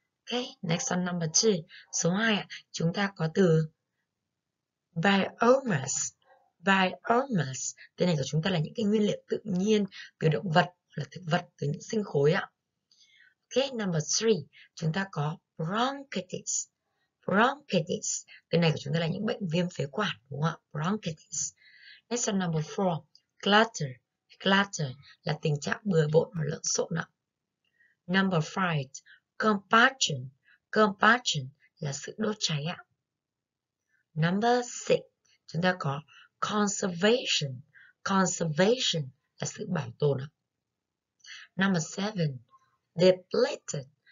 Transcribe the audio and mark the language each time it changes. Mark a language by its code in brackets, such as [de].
[en] Ok, next one number 2. [vi] Số 2 ạ, chúng ta có từ biomass. Biomass, tên này của chúng ta là những cái nguyên liệu tự nhiên từ động vật, là thực vật, từ những sinh khối ạ. [en] Okay, number 3, [vi] chúng ta có bronchitis. Bronchitis, cái này của chúng ta là những bệnh viêm phế quản, đúng không ạ? [en] Bronchitis. Next one, number 4, clutter. [vi] Clutter là tình trạng bừa bộn và lộn xộn ạ. [en] Number 5, compaction. [vi] Compaction là sự đốt cháy ạ. [en] Number 6, [vi] chúng ta có conservation. Conservation là sự bảo tồn ạ. [en] Number 7, depleted.